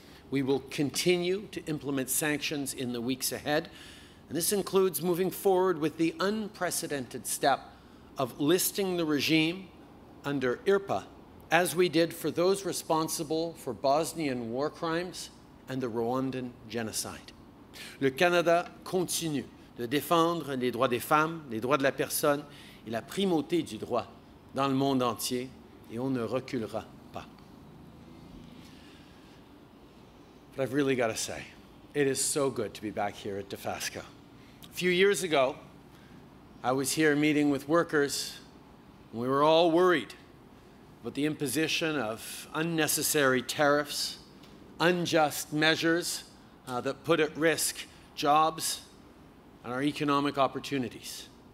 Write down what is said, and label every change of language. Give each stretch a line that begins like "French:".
English: We will continue to implement sanctions in the weeks ahead, and this includes moving forward with the unprecedented step of listing the regime under IRPA, as we did for those responsible for Bosnian war crimes and the Rwandan genocide.
French: Le Canada continue de défendre les droits des femmes, les droits de la personne et la primauté du droit dans le monde entier, et on ne reculera.
English: But I've really got to say, it is so good to be back here at DeFasco. A few years ago, I was here meeting with workers, and we were all worried about the imposition of unnecessary tariffs, unjust measures that put at risk jobs and our economic opportunities.